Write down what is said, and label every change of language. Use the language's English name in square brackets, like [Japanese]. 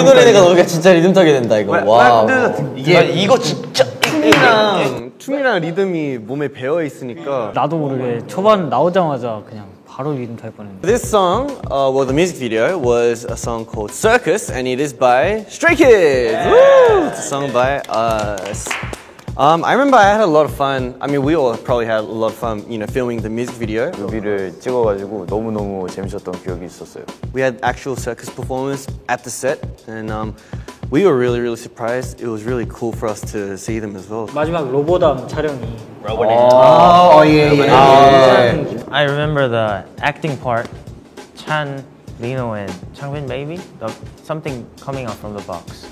[Korean] 우리 노래가 너가 진짜 리듬 타게 된다 이거. 와 이게 이거 진짜 춤이랑 리듬이 몸에 배어 있으니까 나도 모르게 초반 나오자마자 그냥. [English] This song, well, the music video was a song called Circus, and it is by Stray Kids. Yeah. It's a song by us. I remember I had a lot of fun. I mean, we all probably had a lot of fun, you know, filming the music video. [Korean] 뮤비를 찍어가지고 너무 너무 재밌었던 기억이 있었어요. [English] We had actual circus performance at the set, and we were really really surprised. It was really cool for us to see them as well. [Korean] 마지막 로보담 촬영이. [English] I remember the acting part. Chan, Lino, and Changbin, maybe? The, something coming out from the box.